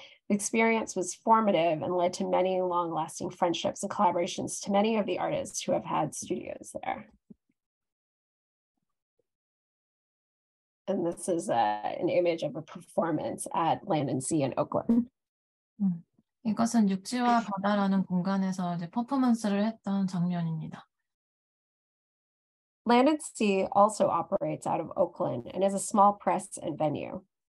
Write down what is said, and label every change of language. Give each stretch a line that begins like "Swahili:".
English: The experience was formative and led to many long-lasting friendships and collaborations to many of the artists who have had studios there. And this is an image of a performance at Land and Sea in Oakland.
Korean: 이것은 육지와 바다라는 공간에서 이제 퍼포먼스를 했던 장면입니다.
English: Land and Sea also operates out of Oakland and is a small press and venue.